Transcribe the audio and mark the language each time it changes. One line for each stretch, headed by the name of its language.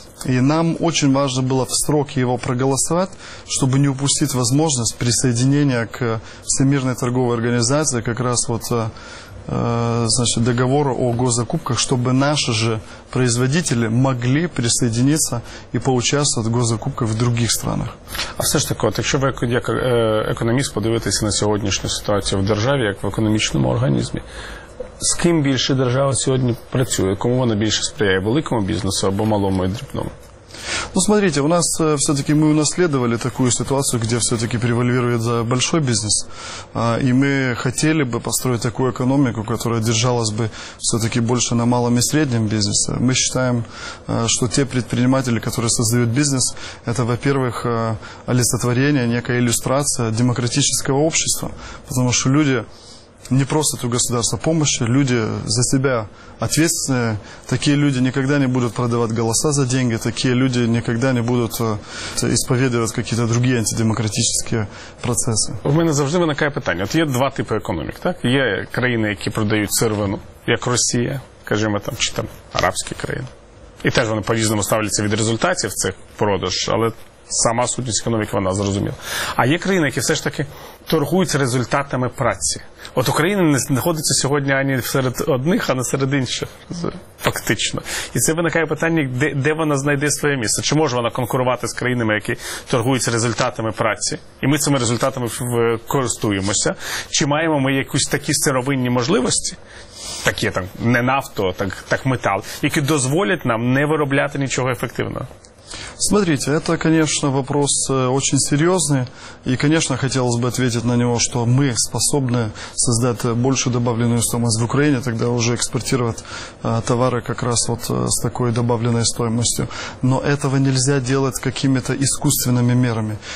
Russian: И нам очень важно было в сроки его проголосовать, чтобы не упустить возможность присоединения к Всемирной торговой организации как раз вот, значит, договора о госзакупках, чтобы наши же производители могли присоединиться и поучаствовать в госзакупках в других странах.
Ukrainian: А все ж таки, от якщо ви як економіст подивитися на сьогоднішню ситуацію в державі, як в економічному організмі, з ким більше держава сьогодні працює? Кому вона більше сприяє? Великому бізнесу або малому і дрібному?
Russian: Ну, смотрите, у нас все-таки мы унаследовали такую ситуацию, где все-таки превальвирует большой бизнес. И мы хотели бы построить такую экономику, которая держалась бы все-таки больше на малом и среднем бизнесе. Мы считаем, что те предприниматели, которые создают бизнес, это, во-первых, олицетворение, некая иллюстрация демократического общества. Потому что люди не просят у государства помощи, люди за себя ответственные. Такие люди никогда не будут продавать голоса за деньги, такие люди никогда не будут исповедовать какие-то другие антидемократические процессы. У меня
Ukrainian: завжди виникає питання. От є два типи економік, так? Є країни, які продають сировину, як Росія, скажімо, там, чи там арабські країни. І теж вони по-різному ставляться від результатів цих продаж, але сама сутність економіки, вона зрозуміла. А є країни, які все ж таки торгуються результатами праці. От Україна не знаходиться сьогодні ані серед одних, а не серед інших, фактично. І це виникає питання, де вона знайде своє місце. Чи може вона конкурувати з країнами, які торгуються результатами праці? І ми цими результатами користуємося. Чи маємо ми якісь такі сировинні можливості? Такі, там, не нафту, а так метал, які дозволять нам не виробляти нічого ефективного?
Russian: Смотрите, это, конечно, вопрос очень серьезный, и, конечно, хотелось бы ответить на него, что мы способны создать больше добавленную стоимость в Украине, тогда уже экспортировать товары как раз вот с такой добавленной стоимостью. Но этого нельзя делать какими-то искусственными мерами.